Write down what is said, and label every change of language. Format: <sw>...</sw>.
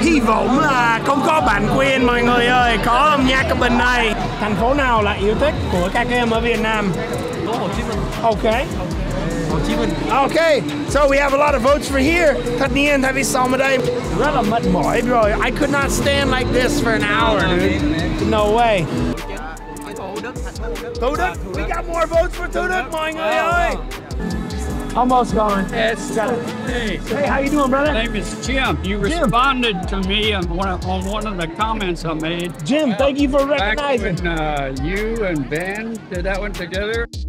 <vi>Hy vọng là không có bản quyền mọi người ơi. Có âm nhạc ở bên đây. Thành phố nào là yêu thích của các em ở Việt Nam? Hồ Chí Minh.</vi> <en>Ok. Okay, so we have a lot of votes for here.</en> <vi>Tất nhiên, tại vì sau một đêm rất là mệt mỏi rồi.</vi> <en>I could not stand like this for an hour, dude. No way.</en> <vi>Thủ Đức.</vi> <en>We got more votes for Thủ Đức, mọi người ơi. Almost gone. Yes. Hey, how you doing, brother? My name is Jim. You responded to me on one of the comments I made. Jim, thank you for recognizing. Back when you and Ben did that one together.</en>